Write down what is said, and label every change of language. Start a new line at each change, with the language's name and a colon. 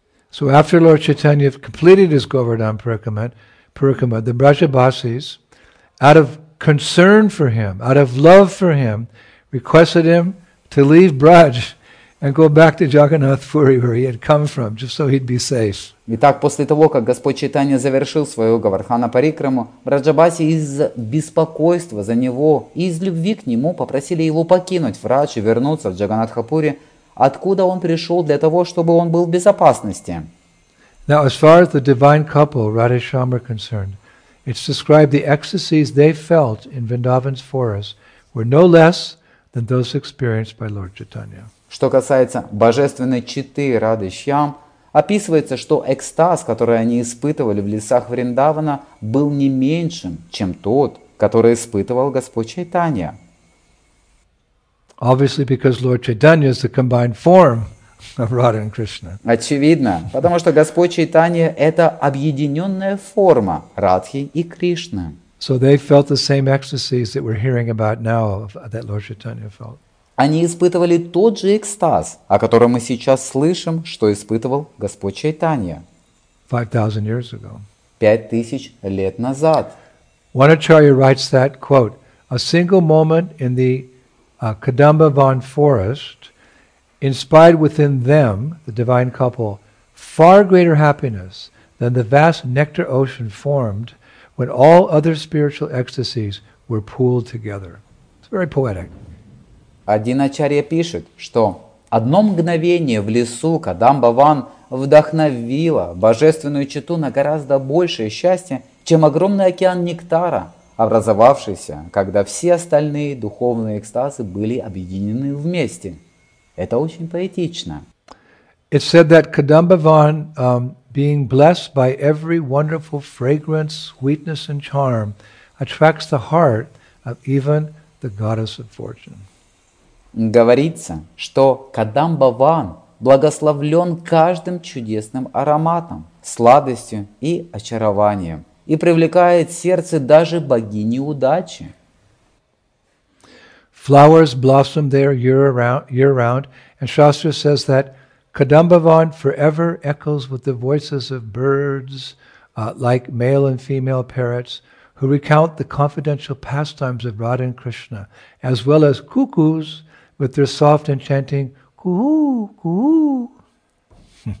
English: So after Lord Chaitanya completed his Govardhan Parikrama, the Brajabasis, out of concern for him, out of love for him, requested him to leave Braj and go back to Jagannath Puri, where he had come from, just so he'd be safe.
Russian: Итак, после того, как Господь Чайтанья завершил свою Говардхана Парикраму, Браджабаси из беспокойства за него и из любви к нему попросили его покинуть Врадж и вернуться в Джаганнатха Пури, откуда он пришел для того, чтобы он был в безопасности.
English: Now, as far as the divine couple, Radha Shyam, are concerned, it's described the ecstasies they felt in Vrindavan's forest were no less than those experienced by Lord Chaitanya.
Russian: Что касается божественной читы Рады Шьям, описывается, что экстаз, который они испытывали в лесах Вриндавана, был не меньшим, чем тот, который испытывал Господь Чайтанья.
English: Obviously, because Lord Chaitanya is the combined form of Radha and Krishna.
Russian: Очевидно, потому что Господь Чайтанья – это объединенная форма Радхи и Кришны.
English: So they felt the same ecstasies that we're hearing about now that Lord Chaitanya felt.
Russian: Они испытывали тот же экстаз, о котором мы сейчас слышим, что испытывал Господь Чайтанья.
English: 5000 years ago.
Russian: 5000 лет назад.
English: One acharya writes that quote: "A single moment in the Kadambavan forest inspired within them, the divine couple, far greater happiness than the vast nectar ocean formed when all other spiritual ecstasies were pooled together." It's very poetic.
Russian: Один ачарья пишет, что одно мгновение в лесу Кадамбаван вдохновило божественную читу на гораздо большее счастье, чем огромный океан нектара, образовавшийся, когда все остальные духовные экстазы были объединены вместе. Это очень поэтично.
English: It's said that Kadambavan, being blessed by every wonderful fragrance, sweetness and charm, attracts the heart of even the goddess of fortune.
Russian: Говорится, что Кадамбаван благословлен каждым чудесным ароматом, сладостью и очарованием и привлекает сердце даже богини удачи.
English: Flowers blossom there year round, and Shastra says that Kadambavan forever echoes with the voices of birds, like male and female parrots, who recount the confidential pastimes of Radha and Krishna, as well as cuckoos, with their soft and chanting, "Coo-hoo, coo-hoo."